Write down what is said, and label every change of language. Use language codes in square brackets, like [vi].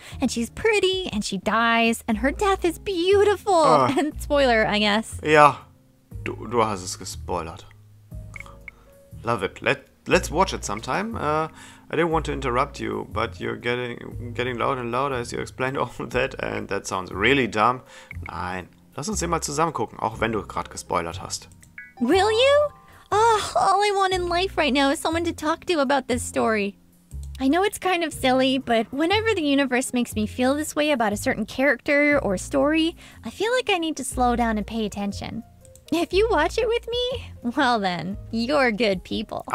[en] And she's pretty, and she dies, and her death is beautiful. And spoiler, I guess. [de] Yeah, du hast es gespoilert. [en] Love it. Let's watch it sometime. I didn't want to interrupt you, but you're getting louder and louder as you explained all that, and that sounds really dumb. [de] Nein, lass uns immer zusammen gucken, auch wenn du gerade gespoilert hast. [en] Will you? Oh, all I want in life right now is someone to talk to about this story. I know it's kind of silly, but whenever the universe makes me feel this way about a certain character or story, I feel like I need to slow down and pay attention. If you watch it with me, well then, you're good people.